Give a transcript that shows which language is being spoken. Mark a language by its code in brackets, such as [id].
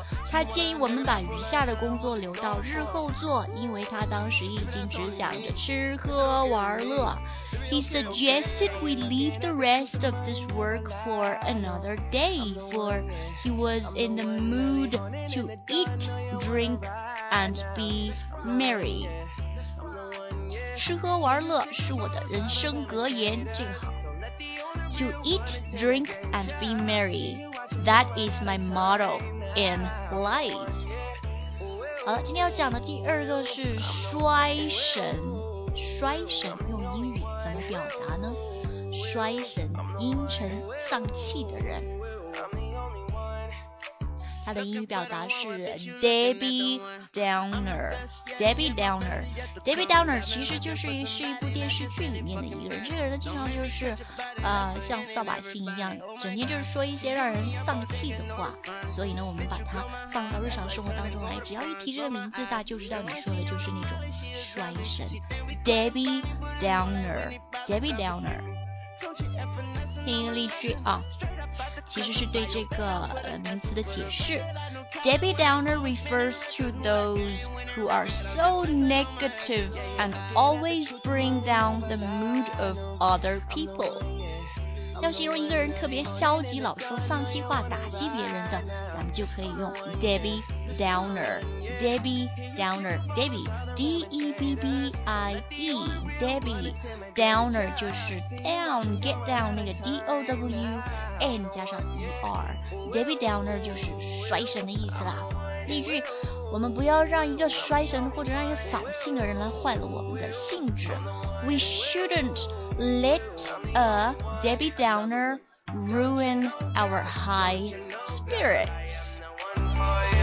[zh] 他建议我们把余下的工作留到日后做，因为他当时已经只想着吃喝玩乐。 [en] He suggested we leave the rest of this work for another day, for he was in the mood to eat, drink, and be merry. [zh] 吃喝玩乐是我的人生格言，这个好。 [en] To eat, drink, and be merry. That is my motto. In life. [zh] 好了，今天要讲的第二个是衰神。衰神用英语怎么表达呢？衰神，阴沉丧气的人。他的英语表达是 Debbie Downer。 Debbie Downer， Debbie Downer 其实就是一部电视剧里面的一个人。这个人经常就是像扫把星一样，整天就是说一些让人丧气的话，所以呢我们把它放到日常生活当中来，只要一提这个名字，大家就知道你说的就是那种衰神。 Debbie Downer， Debbie Downer。听一个例句啊，其实是对这个名词的解释。 [en] Debbie Downer refers to those who are so negative and always bring down the mood of other people. [zh] 要形容一个人特别消极，老说丧气话打击别人的，咱们就可以用 Debbie Downer。 Debbie Downer， Debbie D-E-B-B-I-E Debbie Downer 就是 down get down 那个 D-O-W-N 加上 E-R。 Debbie Downer 就是衰神的意思啦。例句，我们不要让一个衰神或者让一个扫兴的人来坏了我们的兴致。 [en] We shouldn't let a Debbie Downer ruin our high spirits。